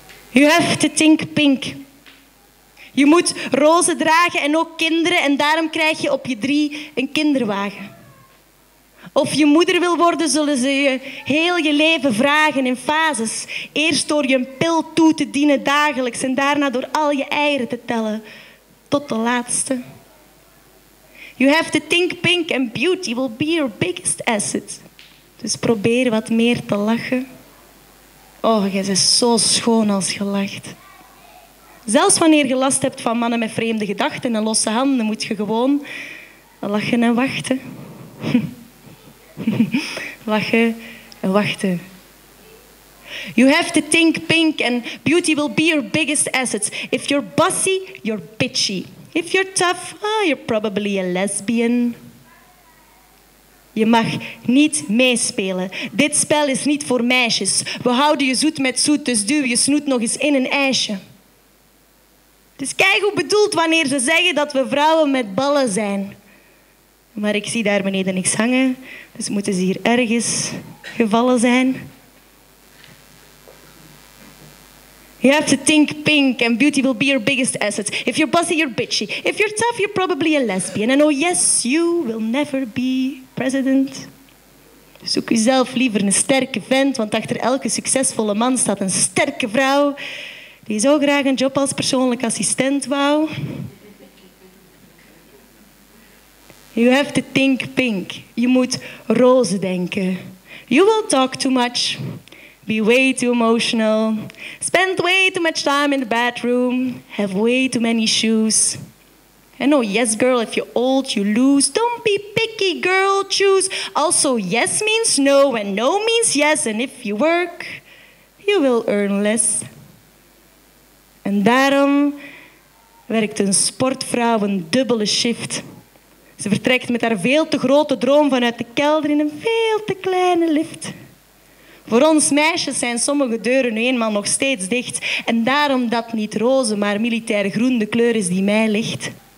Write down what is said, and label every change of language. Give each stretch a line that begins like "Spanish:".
English: You have to think pink.
Dutch: Je moet rozen dragen en ook kinderen en daarom krijg je op je 3 een kinderwagen. Of je moeder wil worden, zullen ze je heel je leven vragen in fases. Eerst door je een pil toe te dienen dagelijks en daarna door al je eieren te tellen tot de laatste.
English: You have to think pink and beauty will be your biggest asset.
Dutch: Dus probeer wat meer te lachen. Oh, jij bent zo schoon als je lacht. Zelfs wanneer je last hebt van mannen met vreemde gedachten en losse handen, moet je gewoon lachen en wachten. Lachen en wachten.
English: You have to think pink and beauty will be your biggest asset. If you're bossy, you're bitchy. If you're tough, oh, you're probably a lesbian.
Dutch: Je mag niet meespelen. Dit spel is niet voor meisjes. We houden je zoet met zoet, dus duw je snoet nog eens in een ijsje. Het is keigoed bedoeld wanneer ze zeggen dat we vrouwen met ballen zijn. Maar ik zie daar beneden niks hangen, dus moeten ze hier ergens gevallen zijn.
English: You have to think pink and beauty will be your biggest asset. If you're bossy, you're bitchy. If you're tough, you're probably a lesbian. And oh yes, you will never be president.
Dutch: Zoek jezelf liever een sterke vent, want achter elke succesvolle man staat een sterke vrouw die zo graag een job als persoonlijk assistent wou.
English: You have to think pink.
Dutch: Je moet roze denken.
English: You will talk too much. Be way too emotional. Spend way too much time in the bathroom. Have way too many shoes. And oh yes, girl, if you're old, you lose. Don't be picky, girl, choose. Also, yes means no, and no means yes. And if you work, you will earn less.
Dutch: En daarom werkt een sportvrouw een dubbele shift. Ze vertrekt met haar veel te grote droom vanuit de kelder in een veel te kleine lift. Voor ons meisjes zijn sommige deuren nu eenmaal nog steeds dicht. En daarom dat niet roze, maar militair groen de kleur is die mij ligt.